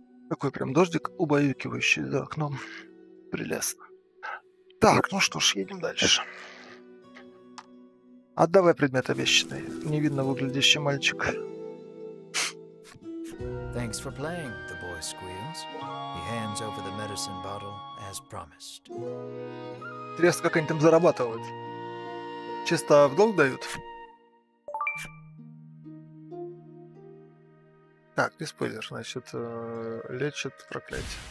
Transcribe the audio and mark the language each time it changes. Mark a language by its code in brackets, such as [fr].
[ru] Такой прям дождик убаюкивающий за окном. Прелестно. Так, ну что ж, едем дальше. Отдавай предмет обещанный. Невинно выглядящий мальчик. [en] Thanks for playing, the boy squeals. He hands over the medicine bottle as promised. [ru] Интересно, как они там зарабатывают. Чисто в долг дают? Так, не спойлер, значит, лечит проклятие.